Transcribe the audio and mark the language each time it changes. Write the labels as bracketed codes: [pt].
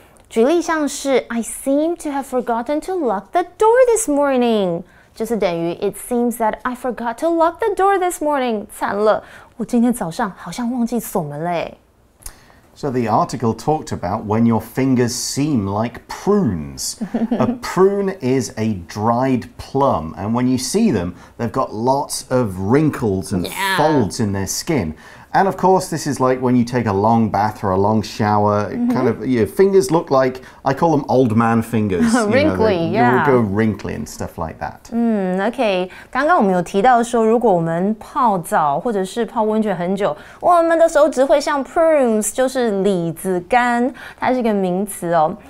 [zh] 举例像是 [en] I seem to have forgotten to lock the door this morning， [zh] 就是等于 [en] it seems that I forgot to lock the door this morning。 [zh] 惨了，我今天早上好像忘记锁门嘞。 [en] So the article talked about when your fingers seem like prunes. A prune is a dried plum, and when you see them, they've got lots of wrinkles and folds in their skin. And of course, this is like when you take a long bath or a long shower, kind of, your fingers look like, I call them old man fingers. Wrinkly, you know, yeah. You'll go wrinkly and stuff like that. [zh] Okay, 刚刚我们有提到说如果我们泡澡或者是泡温泉很久我们的手指会像 prunes, 就是李子干它是一个名词哦。